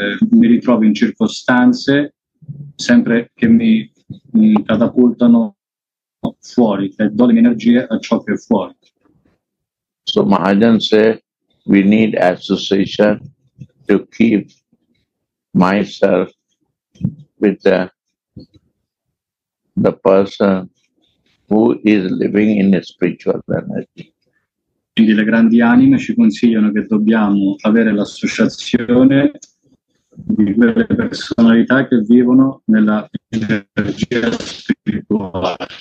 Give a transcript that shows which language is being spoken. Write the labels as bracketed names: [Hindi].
[Italian] Mi ritrovo in circostanze sempre che mi catapultano fuori e do le mie energie a ciò che è fuori. [English] So Mahajan say we need association to keep myself with the person who is living in a spiritual energy. [Italian] Quindi le grandi anime ci consigliano che dobbiamo avere l'associazione di quelle personalità che vivono nella energia spirituale.